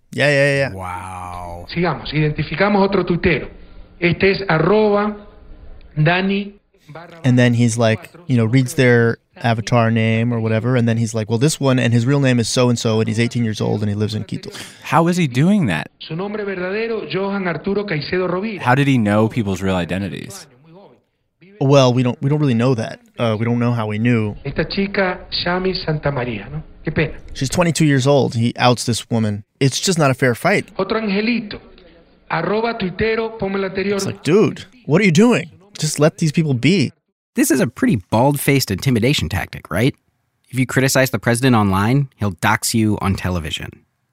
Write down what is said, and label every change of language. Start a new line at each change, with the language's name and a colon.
English: Wow.
Spanish: Sigamos, identificamos otro tuitero. Este es arroba Dani.
English: And then he's like, you know, reads their avatar name or whatever. And then he's like, well, this one, and his real name is so-and-so, and he's 18 years old, and he lives in Quito. How is he doing that?
Spanish: Su nombre verdadero, Johan Arturo Caicedo Rovira.
English: How did he know people's real identities? Well, we don't really know that. We don't know how he knew.
Spanish: Esta chica, Shami Santa María, ¿no? Qué pena.
English: She's 22 years old. He outs this woman. It's just not a fair fight.
Spanish: Otro angelito, arroba tuitero, ponme el anterior.
English: It's like, dude, what are you doing? Just let these people be. This is a pretty bald-faced intimidation tactic, right? If you criticize the president online, he'll dox you on television.